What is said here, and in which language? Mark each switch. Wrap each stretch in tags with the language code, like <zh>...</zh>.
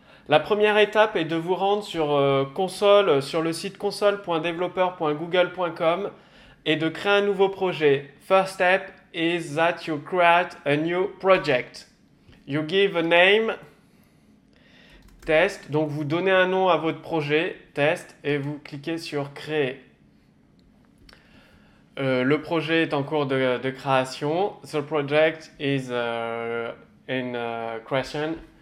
<fr>La première étape est de vous rendre sur console, sur le site console.developer.google.com et de créer un nouveau projet.</fr> <en>First step is that you create a new project. You give a name, test.</en> <fr>Donc vous donnez un nom à votre projet, test, et vous cliquez sur créer. Le projet est en cours de création.</fr> <en>The project is in creation.</en>